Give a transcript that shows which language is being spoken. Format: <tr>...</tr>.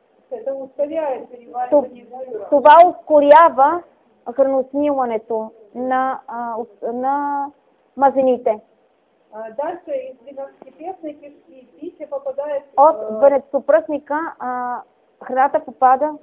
<ru>Это ускоряет переваривание жира.</ru> <bg>Това ускорява храносмилането на, на мазнините.</bg> <ru>Дальше из двенадцатиперстной кишки пища попадает</ru> <bg>от венецопръстника храната попада</bg>